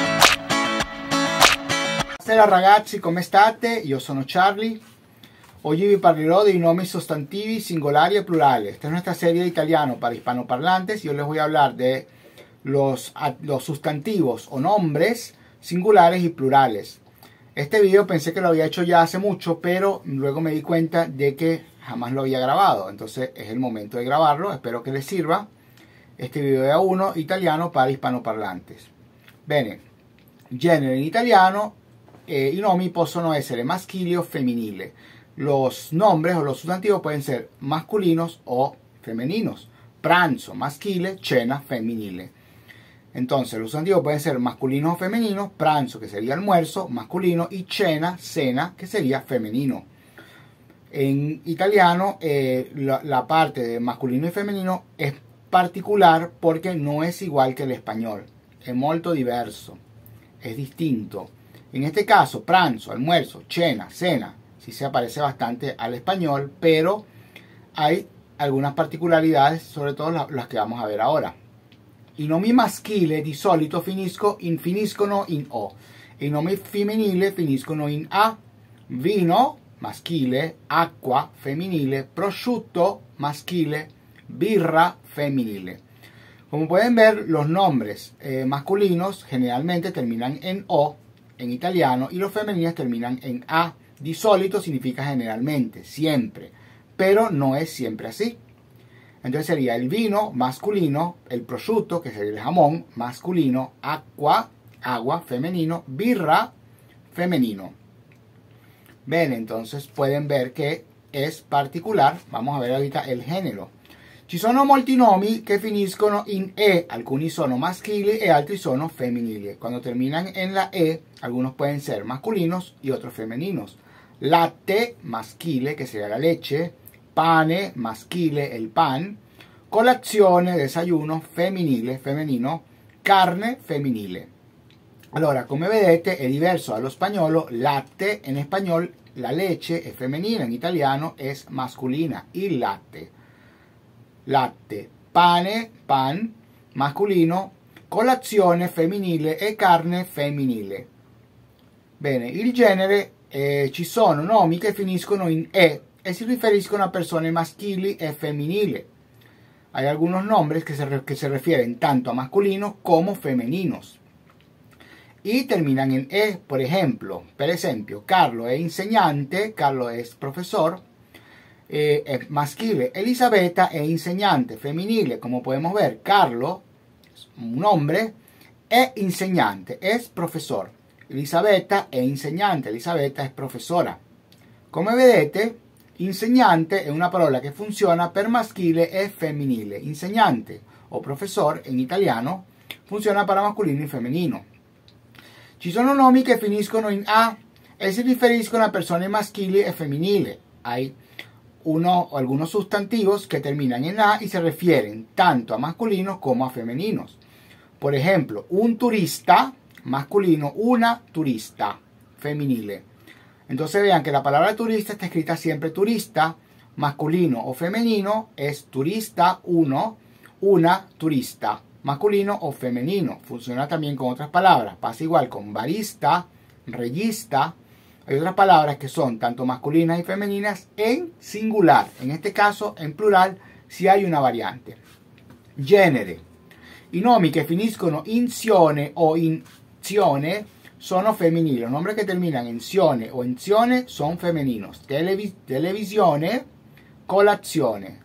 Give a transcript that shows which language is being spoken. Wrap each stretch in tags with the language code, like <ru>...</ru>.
<it>Buonasera ragazzi, come state? Io sono Charlie. Oggi vi parlerò dei nomi sostantivi singolari e plurali. Questa è una serie di italiano</it> <es>para hispanoparlantes. Yo les voy a hablar de los sustantivos o nombres singulares y plurales. Este video pensé que lo había hecho ya hace mucho, pero luego me di cuenta de que jamás lo había grabado. Entonces es el momento de grabarlo. Espero que les sirva este video de A1 italiano para hispanoparlantes. Bene.</es> <it>Genere in italiano, i nomi possono essere maschili o femminili.</it> <es>Los nombres o los sustantivos pueden ser masculinos o femeninos.</es> <it>Pranzo, maschile, cena, femminile.</it> <es>Entonces, los sustantivos pueden ser masculinos o femeninos. Pranzo, que sería almuerzo, masculino. Y cena, cena, que sería femenino. En italiano, la parte de masculino y femenino es particular porque no es igual que el español. Es</es> <it>molto diverso.</it> <es>Es distinto. En este caso, pranzo, almuerzo, cena, cena, sí se parece bastante al español, pero hay algunas particularidades, sobre todo las que vamos a ver ahora.</es> <it>I nomi maschile di solito finiscono in O. I nomi femminile finiscono in A. Vino, maschile, acqua, femminile, prosciutto, maschile, birra, femminile.</it> <es>Como pueden ver, los nombres masculinos generalmente terminan en O en italiano y los femeninos terminan en A. Di solito significa generalmente, siempre, pero no es siempre así. Entonces sería el vino masculino, el prosciutto, que sería el jamón, masculino, acqua, agua, femenino, birra, femenino. Bien, entonces pueden ver que es particular, vamos a ver ahorita el género.</es> <it>Ci sono molti nomi che finiscono in E, alcuni sono maschili e altri sono femminili.</it> <es>Quando terminan en la E, algunos pueden ser masculinos y otros femeninos.</es> <it>Latte, maschile,</it> <es>che sería la leche.</es> <it>Pane, maschile, el pan. Colazione, desayuno, femminile, femenino. Carne, femminile. Allora, come vedete, è diverso dallo spagnolo.</it> <es>Latte, en español, la leche es femenina, en italiano es masculina, il latte.</es> <it>Latte, pane, pan, masculino, colazione femminile e carne femminile. Bene, il genere, ci sono nomi che finiscono in E e si riferiscono a persone maschili e femminili.</it> <es>Hay algunos nombres que se refieren tanto a masculinos como femeninos. Y terminan en E, por ejemplo,</es> <it>Carlo è insegnante, Carlo è professor. Maschile, Elisabetta è insegnante, femminile, come possiamo vedere, Carlo, un nome, è insegnante, è professor. Elisabetta è insegnante, Elisabetta è professora. Come vedete, insegnante è una parola che funziona per maschile e femminile. Insegnante o professor in italiano funziona per masculino e femminino. Ci sono nomi che finiscono in A e si riferiscono a persone maschili e femminili.</it> <es>Hay uno o algunos sustantivos que terminan en A y se refieren tanto a masculinos como a femeninos. Por ejemplo, un turista, masculino, una turista, femminile. Entonces vean que la palabra turista está escrita siempre turista, masculino o femenino, es turista, uno, una turista, masculino o femenino. Funciona también con otras palabras, pasa igual con barista, regista. Hay otras palabras que son tanto masculinas y femeninas en singular. En este caso, en plural, si hay una variante.</es> <it>Genere. I nomi che finiscono in zione o in zione sono femminili.</it> <es>Los nombres que terminan en zione o en zione son femeninos.</es> <it>Televisione, colazione.</it>